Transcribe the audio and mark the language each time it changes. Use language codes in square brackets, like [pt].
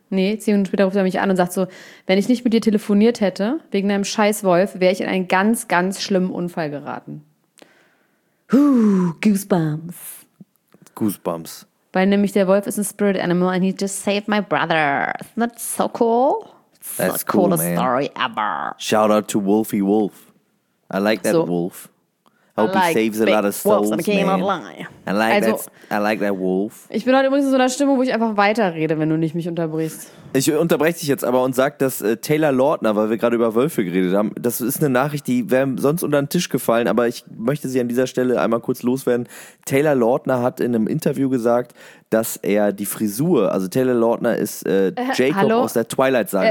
[de] Nee, 10 Minuten später ruft er mich an und sagt so, wenn ich nicht mit dir telefoniert hätte, wegen deinem scheiß Wolf, wäre ich in einen ganz, ganz schlimmen Unfall geraten. [en] Goosebumps. Goosebumps. [de] Weil nämlich der Wolf ist ein Spirit Animal [en] and he just saved my brother. Isn't that so cool? That's the coolest story ever. Shout out to Wolfie Wolf. I like that wolf. Hope like he saves a lot of souls, man. I like that wolf. [de] Ich bin heute übrigens in so einer Stimmung, wo ich einfach weiterrede, wenn du nicht mich unterbrichst. Ich unterbreche dich jetzt aber und sag, dass Taylor Lautner, weil wir gerade über Wölfe geredet haben, das ist eine Nachricht, die wäre sonst unter den Tisch gefallen, aber ich möchte sie an dieser Stelle einmal kurz loswerden. Taylor Lautner hat in einem Interview gesagt, dass er die Frisur, also Taylor Lautner ist Jacob aus der Twilight-Saga